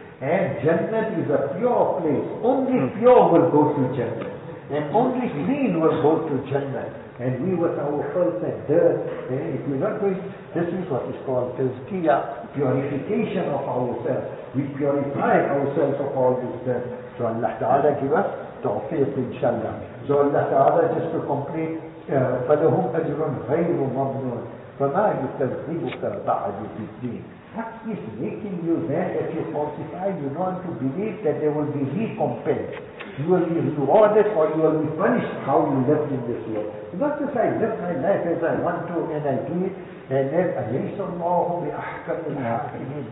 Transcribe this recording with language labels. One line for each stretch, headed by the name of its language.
English: And Jannah is a pure place. Only pure will go to Jannah. And only clean will go to Jannah. And we with our filth and dirt, if we're not going, this is what is called tazkiyah, purification of ourselves. We purify ourselves of all this dirt. So Allah Ta'ala give us tawfiq inshallah. So Allah Ta'ala just to complete,
Arabic: فَلَهُمْ أَجْرٌ غَيْرُ مَمْنُونَ فَمَا يُكَذِّبُكَ بَعْدُ بِالدِّينِ.
English: What is making you mad that you falsify? You don't to believe that there will be recompense. You will be rewarded or you will be punished how you lived in this world. Not just I live my life as I want to and I do it, and then
Arabic: أَلَيْسَ اللَّهُ بِأَحْكَمِ الْحَاكِمِينَ.